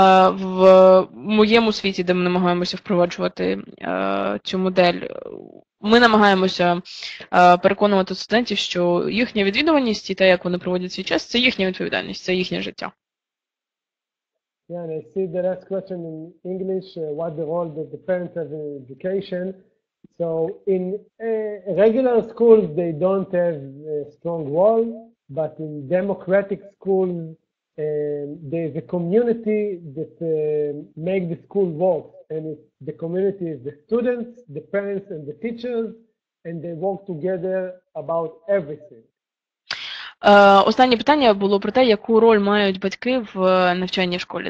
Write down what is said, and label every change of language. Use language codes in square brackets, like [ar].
[uk] В моєму світі, де ми намагаємося впроваджувати цю модель, ми намагаємося переконувати студентів, що їхня відвідуваність і те, як вони проводять свій час, це їхня відповідальність, це їхнє життя. [en] Yeah, and I see the last question in English, what the role that the parents have in education. So in regular schools, they don't have a strong role, but in democratic schools, there's a community that make the school work. And it's the community is the students, the parents, and the teachers, and they work together about everything. [uk] Останнє питання було про те, яку роль мають батьки в навчанні в школі.